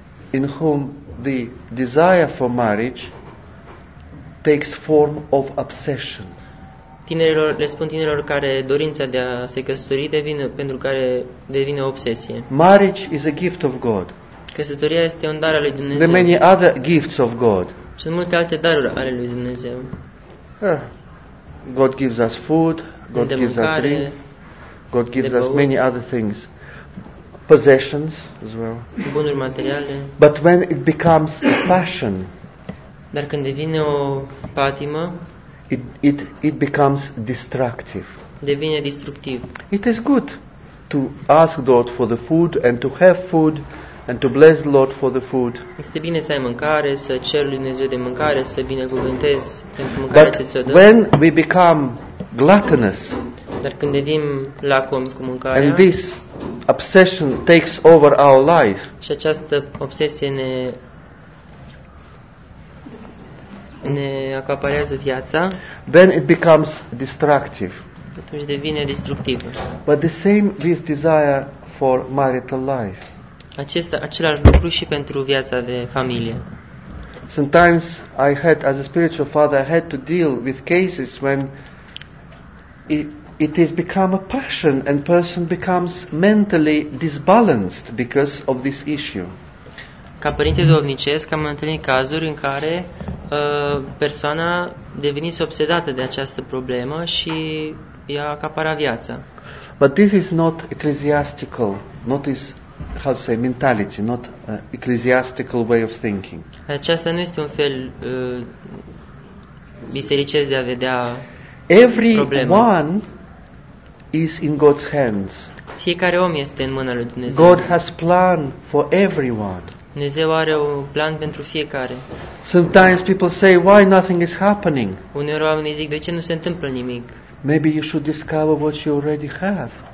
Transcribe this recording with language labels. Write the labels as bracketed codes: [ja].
[en] in whom the desire for marriage takes form of obsession. [ro] Tinerilor, le spun tinerilor care dorința de a se căsători devine o obsesie. [en] Marriage is a gift of God. [ro] Căsătoria este un dar al lui Dumnezeu. [en] The many other gifts of God. [ro] Sunt multe alte daruri ale lui Dumnezeu. [en] God gives us food, God gives us drink, God gives us many other things, possessions as well. [ro] Bunuri materiale. [en] But when it becomes a passion, [ro] dar când devine o patimă, [en] it becomes destructive. [ro] Devine distructiv. [en] It is good to ask God for the food and to have food. And to bless the Lord for the food. [ro] Este bine să ai mâncare, să ceri lui Dumnezeu de mâncare, să binecuvântezi pentru mâncarea ce ți-o dă. [en] But when we become gluttonous, [ro] dar când devenim lacom cu mâncarea, [en] and this obsession takes over our life, [ro] și această obsesie ne acaparează viața, [en] then it becomes destructive. [ro] Atunci devine destructivă. [en] But the same with desire for marital life. [ro] Același lucru și pentru viața de familie. [en] Sometimes I had, as a spiritual father, I had to deal with cases when it has become a passion and person becomes mentally disbalanced because of this issue. [ro] Ca părinte duhovnicesc, am întâlnit cazuri în care persoana devenise obsedată de această problemă și ea acapara viața. [en] But this is not ecclesiastical, not is how to say mentality, not ecclesiastical way of thinking. [ro] Aceasta nu este un fel bisericesc de a vedea problema. [en] Everyone is in God's hands. [ro] Fiecare om este în mâna lui Dumnezeu. [en] God has plan for everyone. [ro] Dumnezeu are un plan pentru fiecare. [en] Sometimes people say, why nothing is happening? [ro] Uneori oamenii zic, de ce nu se întâmplă nimic? [en] Maybe you should discover what you already have.